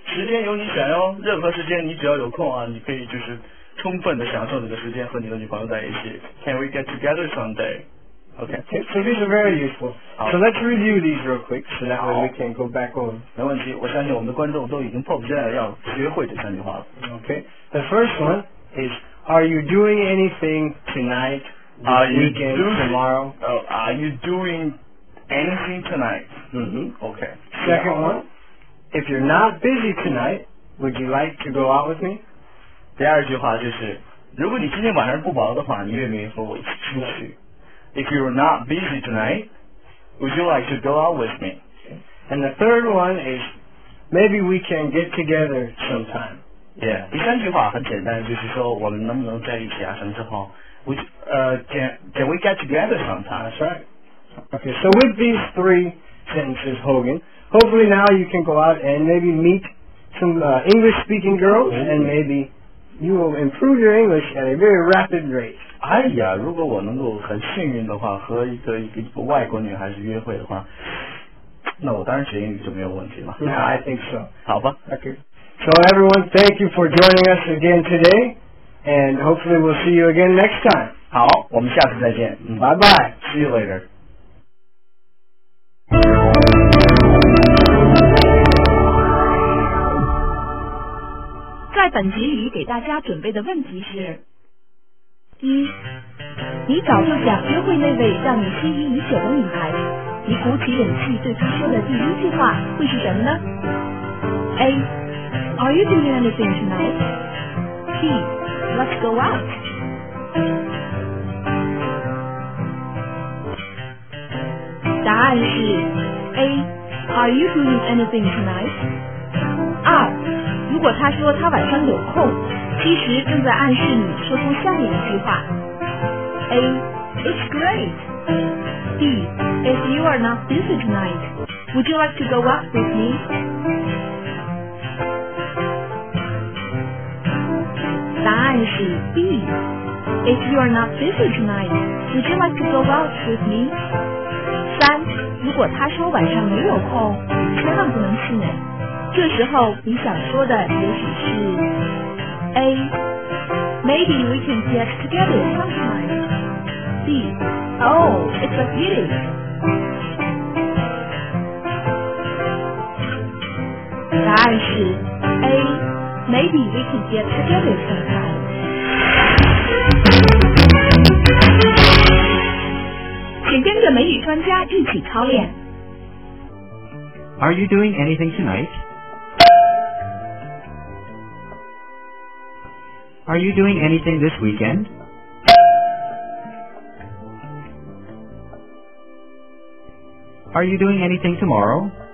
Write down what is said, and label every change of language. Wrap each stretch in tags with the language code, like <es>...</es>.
<zh>时间由你选哦，任何时间你只要有空啊，你可以就是充分的享受你的时间和你的女朋友在一起。</zh> <en>Can we get together someday? Okay. So these are very useful. So let's review these real quick so that way we can go back on.</en> <zh>没问题，我相信我们的观众都已经迫不及待要学会这三句话了。</zh> <en>Okay. The first one is, are you doing anything tonight? Are you weekend, doing tomorrow? Oh, are you doing anything tonight? Okay. Second one, if you're not busy tonight, would you like to go out with me?</en> <zh>第二句话就是，如果你今天晚上不忙的话，你愿不愿意和我一起出去 ？</zh> <en>If you're not busy tonight, would you like to go out with me? And the third one is, maybe we can get together sometime. Yeah.</en> <zh>第三句话很简单，就是说我们能不能在一起啊？什么时候</zh> <en>？Can we get together sometime? That's right. Okay. So with these three sentences, Hogan, hopefully now you can go out and maybe meet some English-speaking girls and maybe. You will improve your English at a very rapid rate.</en> <zh>哎呀，如果我能够很幸运的话，和一个外国女孩子约会的话，那我当然学英语就没有问题了。</zh> <en>Yeah, I think so.</en> <zh>好吧。</zh> <en>Okay. So everyone, thank you for joining us again today, and hopefully we'll see you again next time.</en> <zh>好，我们下次再见。</zh> <en>Bye bye. See you later.</en> <zh>本集语给大家准备的问题是：一，你早就想约会那位让你心仪已久的女孩，你鼓起勇气对她说的第一句话会是什么呢 ？A.</zh> <en>Are you doing anything tonight? B. Let's go out.</en> <zh>答案是 A.</zh> <en>Are you doing anything tonight?</en> <zh>二。如果他说他晚上有空，其实正在暗示你说出下面一句话 ：A.</zh> <en>It's great. B. If you are not busy tonight, would you like to go out with me?</en> <zh>答案是 B.</zh> <en>If you are not busy tonight, would you like to go out with me?</en> <zh>三，如果他说晚上没有空，千万不能气馁。这时候你想说的也许是 A.</zh> <en>Maybe we can get together sometime. B. Oh, it's a pity.</en> <zh>答案是 A.</zh> <en>Maybe we can get together sometime.</en> <zh>请跟着美语专家一起操练。</zh> <en>Are you doing anything tonight? Are you doing anything this weekend? Are you doing anything tomorrow?</en>